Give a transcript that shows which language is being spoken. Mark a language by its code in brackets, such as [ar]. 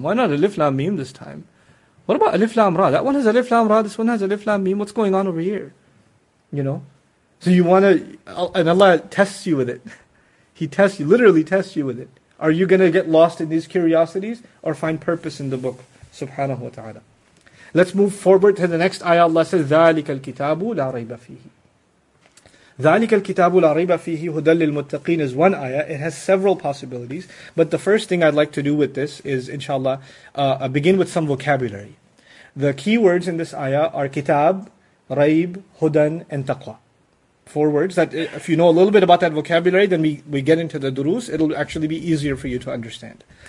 [en] Why not Alif Lam Mim this time? What about Alif Lam Ra? That one has Alif Lam Ra, this one has Alif Lam Mim. What's going on over here? You know? So you want to, and Allah tests you with it. He tests you, literally tests you with it. Are you going to get lost in these curiosities or find purpose in the book? Subhanahu wa ta'ala. Let's move forward to the next ayah. Allah says, [ar] ذَٰلِكَ الْكِتَابُ لَا رَيْبَ فِيهِ. ذَٰلِكَ الْكِتَابُ لَا رَيْبَ فِيهِ هُدًى لِلْمُتَّقِينَ [en] is one ayah. It has several possibilities. But the first thing I'd like to do with this is, inshallah, begin with some vocabulary. The key words in this ayah are kitab, raib, hudan, and taqwa. Four words that if you know a little bit about that vocabulary, then we get into the durus, it'll actually be easier for you to understand.